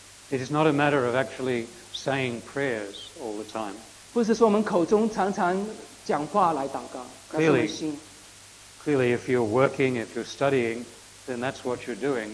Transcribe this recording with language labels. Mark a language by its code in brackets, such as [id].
[en] It is not a matter of actually saying prayers all the time. [zh] 不是说我们口中常常讲话来祷告，而是我们心。 [en] Clearly, if you're working, if you're studying, then that's what you're doing.